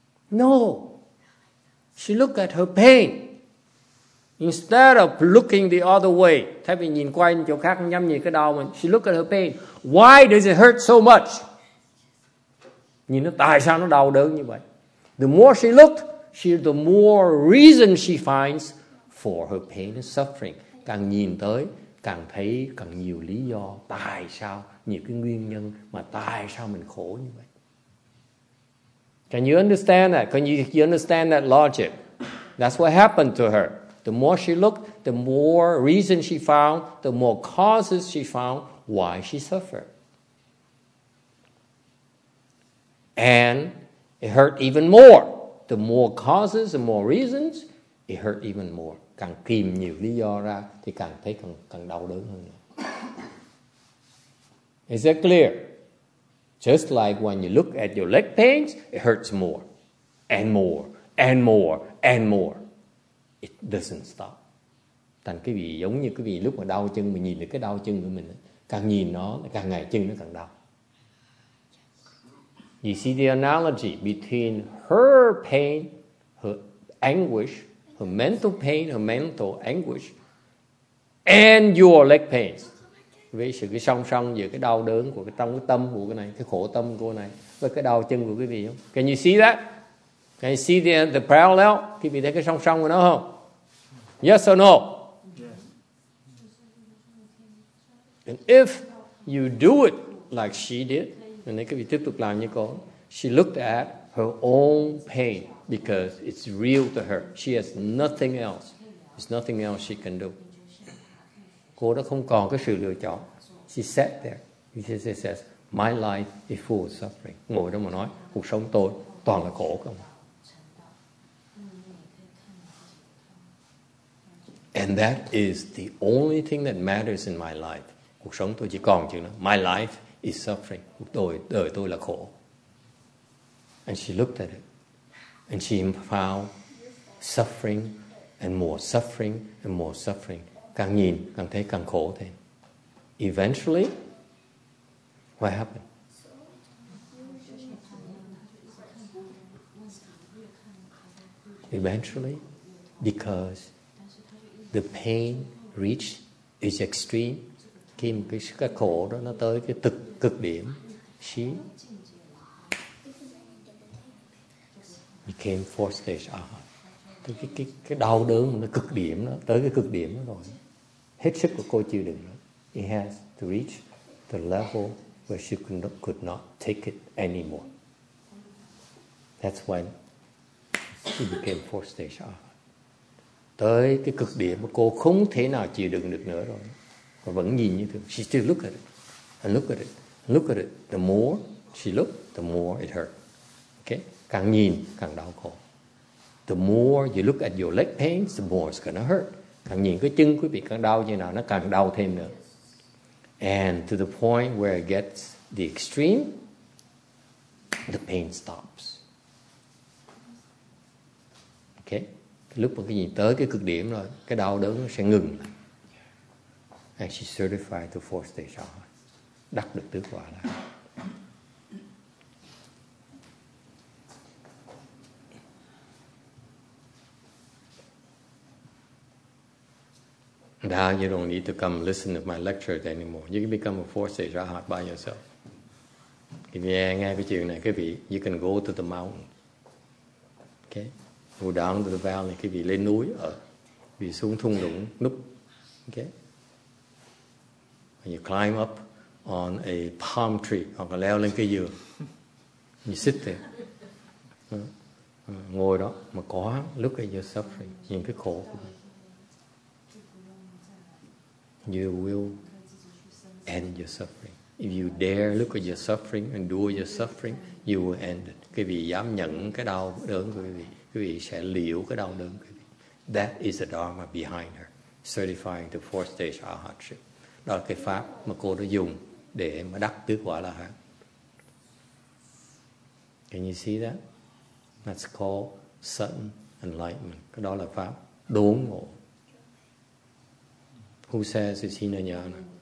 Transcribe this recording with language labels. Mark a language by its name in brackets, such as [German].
[English] No. She looked at her pain. Instead of looking the other way, [Vietnamese] thay vì nhìn qua chỗ khác, nhắm nhìn cái đau mình, [English] she looked at her pain. Why does it hurt so much? [Vietnamese] Nhìn nó tại sao nó đau đớn như vậy? [English] The more she looked, the more reason she finds for her pain and suffering. [Vietnamese] Càng nhìn tới, càng thấy càng nhiều lý do tại sao, nhiều cái nguyên nhân mà tại sao mình khổ như vậy. [English] Can you understand that? Can you understand that logic? That's what happened to her. The more she looked, the more reason she found, the more causes she found why she suffered. And it hurt even more. The more causes, the more reasons, it hurt even more. [Vietnamese] Càng tìm nhiều lý do ra thì càng thấy càng đau đớn hơn. [English] Is that clear? Just like when you look at your leg pains, it hurts more and more and more and more. It doesn't stop. [Vietnamese] Thành cái vị giống như cái vị lúc mà đau chân, mình nhìn được cái đau chân của mình, càng nhìn nó, càng ngày chân nó càng đau. [English] You see the analogy between her pain, her anguish, her mental pain, her mental anguish, and your leg pains. [Vietnamese] Với sự cái song song giữa cái đau đớn của cái trong cái tâm của cái này, cái khổ tâm của cái này với cái đau chân của quý vị không? [English] Can you see that? Can you see the parallel? [Vietnamese] Quý vị thấy cái song song của nó không? [English] Yes or no? Yes. And if you do it like she did, and then [Vietnamese] quý vị tiếp tục làm như cô, [English] she looked at her own pain because it's real to her. She has nothing else. There's nothing else she can do. [Vietnamese] Cô đã không còn cái sự lựa chọn. [English] She sat there. She says, my life is full of suffering. [Vietnamese] Ngồi đó mà nói, cuộc sống tôi toàn là khổ không. [English] And that is the only thing that matters in my life. [Vietnamese] Cuộc sống tôi chỉ còn chữ đó. [English] My life is suffering. [Vietnamese] Cuộc đời tôi là khổ. [English] And she looked at it. And she found suffering and more suffering and more suffering. [Vietnamese] Càng nhìn, càng thấy càng khổ thêm. [English] Eventually, what happened? Eventually, because the pain reached its extreme, [Vietnamese] khi cái khổ đó nó tới cái cực điểm, [English] she became fourth stage arahant. [Vietnamese] Cái đau đớn nó cực điểm đó, tới cái cực điểm đó rồi. Hết sức của cô chịu đựng. [English] It has to reach the level where she could not take it anymore. That's when she became fourth stage arahant. [Vietnamese] Tới cái cực điểm mà cô không thể nào chịu đựng được nữa rồi. Và vẫn nhìn như thường. [English] She still look at it. And look at it. Look at it. The more she looked, the more it hurt. [Vietnamese] Okay? Càng nhìn, càng đau khổ. [English] The more you look at your leg pains, the more it's going to hurt. [Vietnamese] Càng nhìn cái chân quý vị càng đau như nào, nó càng đau thêm nữa. [English] And to the point where it gets the extreme, the pain stops. Okay? [Vietnamese] Lúc mà cái gì tới cái cực điểm rồi, cái đau đớn nó sẽ ngừng. [English] And she certified to 4-stage Arahant. [Vietnamese] Đắc được tứ quả là. [English] Now you don't need to come listen to my lectures anymore. You can become a 4-stage Arahant by yourself. [Vietnamese] Nghe ngay cái chuyện này, quý vị, [English] you can go to the mountain. Okay? Go down to the valley, [Vietnamese] quý vị lên núi ở, vì xuống thung lũng núp. [English] Okay? When you climb up on a palm tree, [Vietnamese] hoặc là leo lên cây dừa, [English] you sit there. [Vietnamese] Ngồi đó, mà có, [English] look at your suffering, [Vietnamese] nhìn cái khổ của mình. [English] You will end your suffering. If you dare look at your suffering, endure your suffering, you will end it. [Vietnamese] Quý vị dám nhận cái đau đớn của quý vị sẽ liễu cái đau đớn của quý vị. [English] That is the Dharma behind her, certifying the 4-stage Arahantship. [Vietnamese] Đó là cái pháp mà cô đã dùng để mà đắc tứ quả là hả? [English] Can you see that? That's called sudden enlightenment. [Vietnamese] Cái đó là pháp đốn ngộ. [English] Who says it's Hinayana?